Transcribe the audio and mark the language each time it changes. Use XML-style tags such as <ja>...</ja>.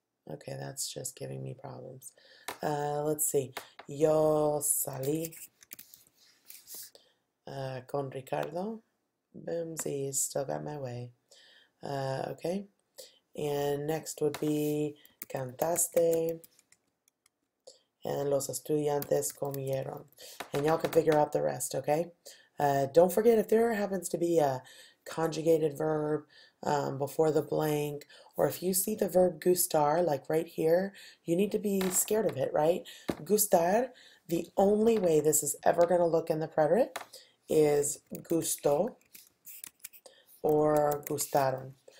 <en>Okay, that's just giving me problems. Let's see.</en> <es>Yo salí con Ricardo.</es> <en>Boomsy, still got my way. Okay. And next would be cantaste.</en> <es>And los estudiantes comieron.</es> <en>And y'all can figure out the rest, okay? Don't forget, if there happens to be a conjugated verb before the blank, or if you see the verb gustar, like right here, you need to be scared of it, right? Gustar, the only way this is ever going to look in the preterite is gusto or gustaron.</en>